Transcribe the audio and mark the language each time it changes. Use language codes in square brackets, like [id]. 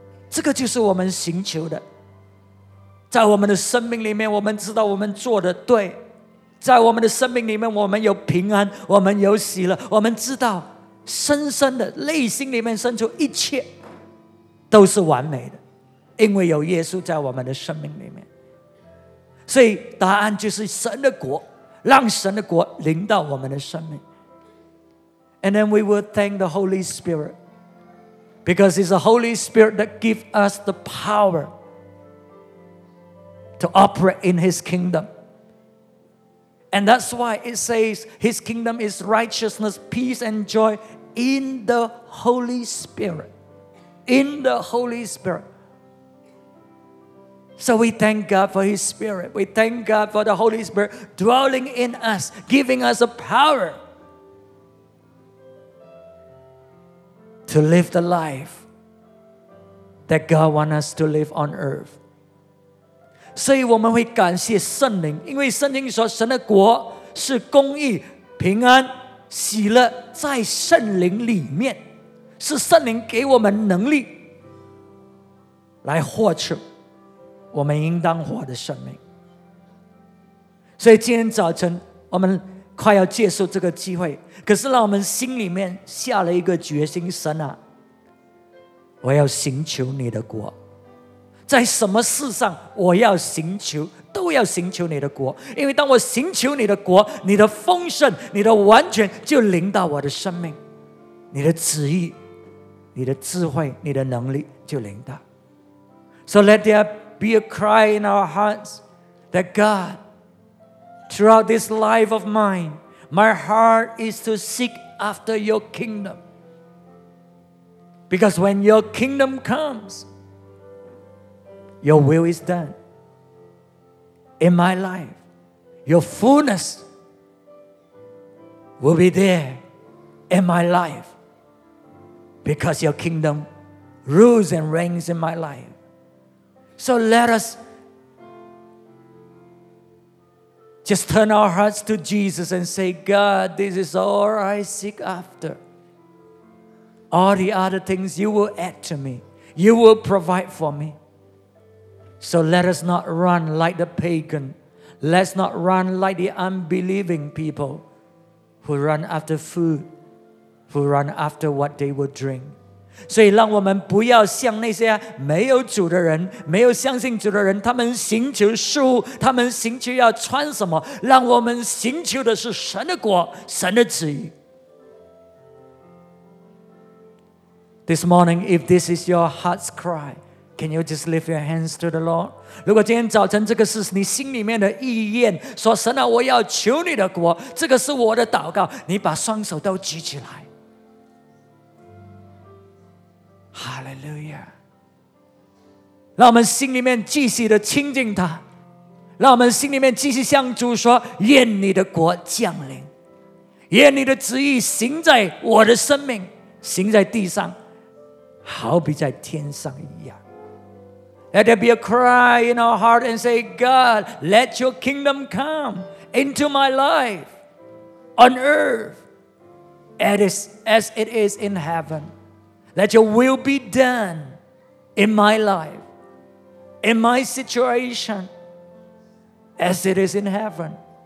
[zh] 这个就是我们寻求的在我们的生命里面我们知道我们做的对在我们的生命里面我们有平安我们有喜乐我们知道深深的内心里面深处一切都是完美的 因为有耶稣在我们的生命里面，所以答案就是神的国，让神的国临到我们的生命。 [en] And then we will thank the Holy Spirit because it's the Holy Spirit that gives us the power to operate in His kingdom. And that's why it says His kingdom is righteousness, peace and joy in the Holy Spirit. In the Holy Spirit. So we thank God for His Spirit. We thank God for the Holy Spirit dwelling in us, giving us a power to live the life that God wants us to live on earth. [zh] 所以我们会感谢圣灵，因为圣经说神的国是公义、平安、喜乐在圣灵里面，是圣灵给我们能力来获取我们应当活的生命。所以今天早晨我们快要接受这个机会，可是让我们心里面下了一个决心，神啊，我要寻求你的国，在什么事上我要寻求，都要寻求你的国，因为当我寻求你的国，你的丰盛、你的完全就临到我的生命，你的旨意、你的智慧、你的能力就临到。 [en] So let there be a cry in our hearts that God, throughout this life of mine, my heart is to seek after your kingdom. Because when your kingdom comes, your will is done. In my life, your fullness will be there in my life. Because your kingdom rules and reigns in my life. So let us just turn our hearts to Jesus and say, God, this is all I seek after. All the other things you will add to me, you will provide for me. So let us not run like the pagan. Let's not run like the unbelieving people who run after food, who run after what they will drink. [zh] 所以让我们不要像那些没有主的人，没有相信主的人，他们寻求食物，他们寻求要穿什么，让我们寻求的是神的国，神的旨意。 [en] This morning, if this is your heart's cry, can you just lift your hands to the Lord? [zh] 如果今天早晨这个是你心里面的意愿，说神啊，我要求你的国，这个是我的祷告，你把双手都举起来。 [en] Hallelujah. [zh] 让我们心里面继续的亲近他，让我们心里面继续向主说，愿你的国降临，愿你的旨意行在我的生命，行在地上，好比在天上一样。 [en] Let there be a cry in our heart and say, God, let your kingdom come into my life on earth as it is in heaven. Let your will be done in my life, in my situation, as it is in heaven.